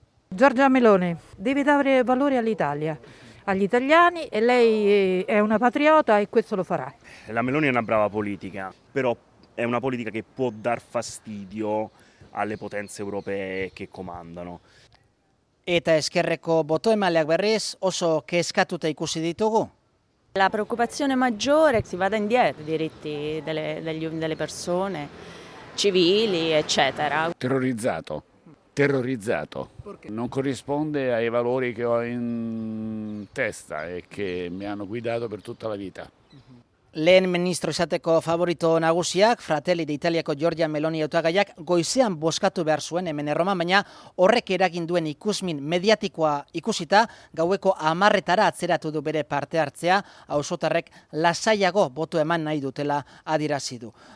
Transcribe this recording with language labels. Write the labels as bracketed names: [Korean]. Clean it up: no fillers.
[Italian] Giorgia Meloni, devi dare valore all'Italia. Agli italiani e lei è una patriota e questo lo farà. La Meloni è una brava politica, però è una politica che può dar fastidio alle potenze europee che comandano. [Basque] Eta eskerreko botoemaleak berriz oso kezkatuta ikusi ditugu. [Italian] La preoccupazione maggiore si vada indietro, diritti delle persone, civili, eccetera. Terrorizzato. Perché? Non corrisponde ai valori che ho in testa e che mi hanno guidato per tutta la vita. [Basque] Lehen ministro izateko favorito nagusiak, Fratelli d'Italiako Giorgia Meloni hautagaiak goizean bozkatu behar zuen hemen Erroman, baina horrek eragin duen ikusmin mediatikoa ikusita, gaueko 10etara atzeratu du bere parte hartzea, auzotarrek lasaiago boto eman nahi dutela adierazi du.